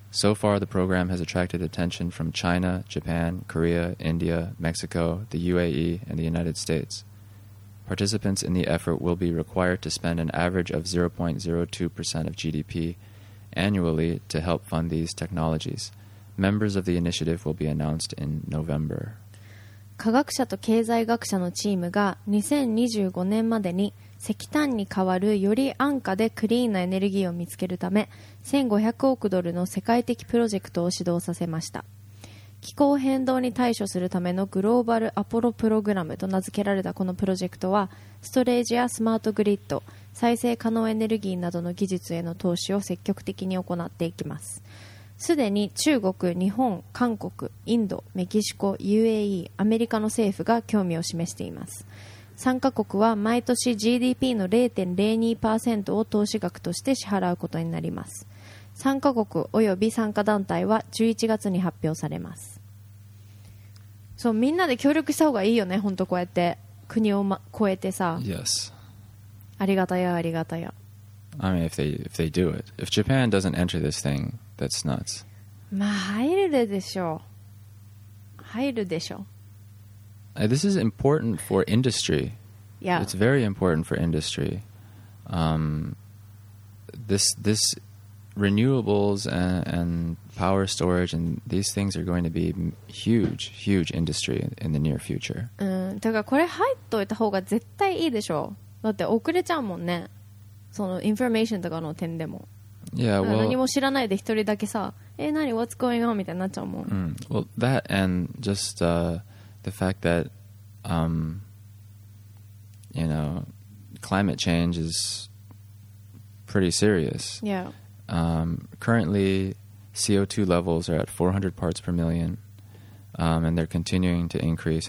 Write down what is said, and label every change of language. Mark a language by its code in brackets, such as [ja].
[en] So far, the program has attracted attention from China, Japan, Korea, India, Mexico, the UAE, and the United States. Participants in the effort will be required to spend an average of 0.02% of GDP annually to help fund these technologies. Members of the initiative will be announced in November. [ja] 科学者と経済学者のチームが2025年までに石炭に代わるより安価でクリーンなエネルギーを見つけるため1500億ドルの世界的プロジェクトを始動させました。気候変動に対処するためのグローバルアポロプログラムと名付けられたこのプロジェクトはストレージやスマートグリッド、再生可能エネルギーなどの技術への投資を積極的に行っていきます。すでに中国、日本、韓国、インド、メキシコ、UAE、アメリカの政府が興味を示しています。参加国は毎年 GDP の 0.02% を投資額として支払うことになります。参加国及び参加団体は11月に発表されます。そう、みんなで協力した方がいいよね、本当こうやって。国を、ま、越えてさ。 [en] Yes. [ja] ありがたや、ありがたや。 [en] I mean, if they do it. If Japan doesn't enter this thing, that's nuts. [ja] まあ、入るでしょう。入るでしょう。 [en] This is important for industry. Yeah. It's very important for industry. This renewables and power storage and these things are going to be huge, huge industry in the near future. [ja] だからこれ入っといた方が絶対いいでしょう。だって遅れちゃうもんね。そのインフォメーションとかの点でも。 [en] Yeah, well, [ja] 何も知らないで一人だけさ、え、何 [en] What's going on? [ja] みたいになっちゃうもん。 [en] Well, that and just the fact that, you know, climate change is pretty serious. Yeah. Currently, CO2 levels are at 400 parts per million, and they're continuing to increase.